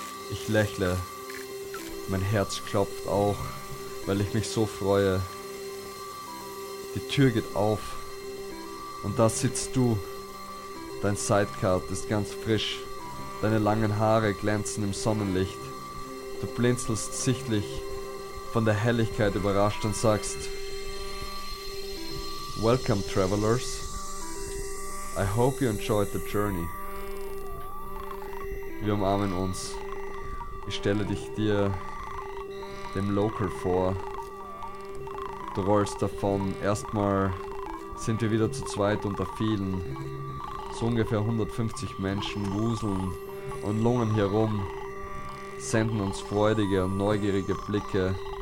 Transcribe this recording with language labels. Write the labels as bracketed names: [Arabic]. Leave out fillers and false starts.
[German] Ich lächle. Mein Herz klopft auch, weil ich mich so freue. Die Tür geht auf. Und da sitzt du. Dein Sidecar ist ganz frisch. Deine langen Haare glänzen im Sonnenlicht. Du blinzelst sichtlich von der Helligkeit überrascht und sagst: [English] Welcome, travelers. I hope you enjoyed the journey. [German] Wir umarmen uns. Ich stelle dich dir, dem Local, vor. Du rollst davon. Erstmal sind wir wieder zu zweit unter vielen. So ungefähr 150 Menschen wuseln und lungern herum, senden uns freudige und neugierige Blicke.